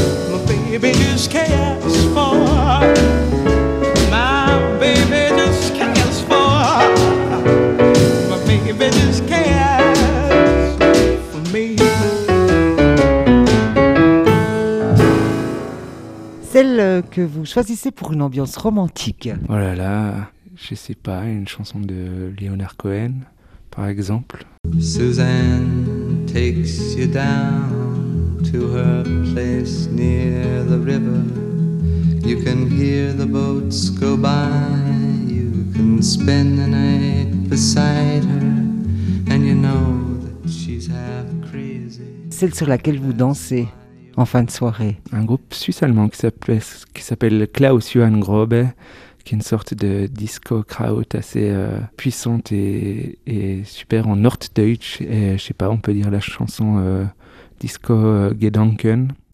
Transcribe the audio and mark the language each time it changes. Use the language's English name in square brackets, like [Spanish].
[English] My baby just cares for. My baby just cares for. My baby just cares for me. [French] Celle que vous choisissez pour une ambiance romantique. Oh là là. Je sais pas, une chanson de Leonard Cohen, par exemple. [English] Suzanne takes you down to her place near the river. You can hear the boats go by, you can spend the night beside her, and you know that she's half crazy. [French] Celle sur laquelle vous dansez en fin de soirée. Un groupe suisse-allemand qui s'appelle Klaus Johann Grobe. Une sorte de disco kraut assez puissante et super en Norddeutsch. Et je sais pas, on peut dire la chanson disco Gedanken.